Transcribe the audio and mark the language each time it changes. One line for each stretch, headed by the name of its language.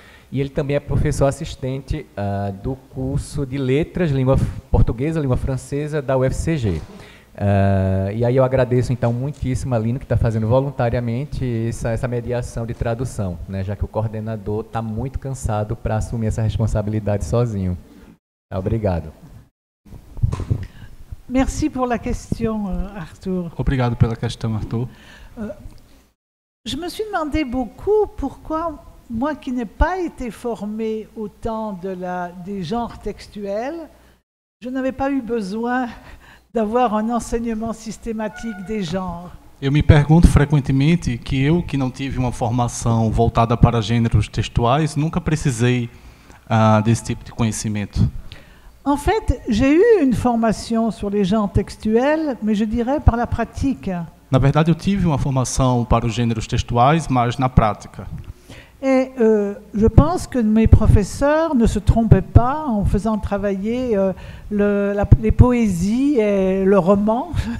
Portuguese: E ele também é professor assistente do curso de Letras, Língua Portuguesa, Língua Francesa, da UFCG. E aí eu agradeço, então, muitíssimo a Lino, que está fazendo voluntariamente essa mediação de tradução, né, já que o coordenador está muito cansado para assumir essa responsabilidade sozinho. Obrigado.
French: Merci pour la question, Arthur.
Portuguese: Obrigado pela questão, Arthur.
French: Je me suis demandé beaucoup pourquoi moi qui n'ai pas été formée au temps des genres textuels, je n'avais pas eu besoin d'avoir un enseignement systématique des genres.
Portuguese: Eu me pergunto frequentemente que eu que não tive uma formação voltada para gêneros textuais, nunca precisei desse tipo de conhecimento.
French: En fait, j'ai eu une formation sur les genres textuels, mais je dirais par la pratique.
Portuguese: Na verdade, eu tive uma formação para os gêneros textuais, mas na prática.
French: Et je pense que mes professeurs ne se trompaient pas en faisant travailler les poésies et le roman.